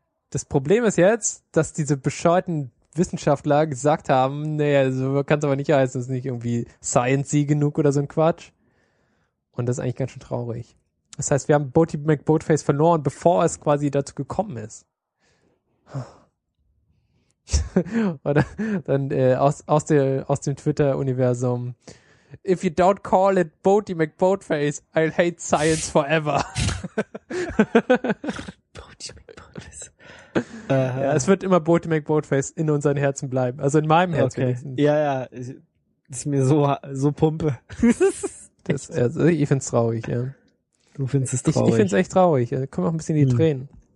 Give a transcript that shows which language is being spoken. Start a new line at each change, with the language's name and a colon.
German: Das Problem ist jetzt, dass diese bescheuerten Wissenschaftler gesagt haben, naja, so kann es aber nicht heißen, ist nicht irgendwie science-y genug oder so ein Quatsch. Und das ist eigentlich ganz schön traurig. Das heißt, wir haben Boaty McBoatface verloren, bevor es quasi dazu gekommen ist. Oder dann aus dem Twitter-Universum.
English: If you don't call it Boaty McBoatface, I'll hate science forever. Boaty McBoatface.
German: Ja, es wird immer Boaty McBoatface in unseren Herzen bleiben. Also in meinem Herz. Okay. Wenigstens. Ja, ja. Ist mir so Pumpe. Das, also ich find's traurig, ja. Du findest es traurig. Ich find's echt traurig. Da kommen auch ein bisschen die Tränen.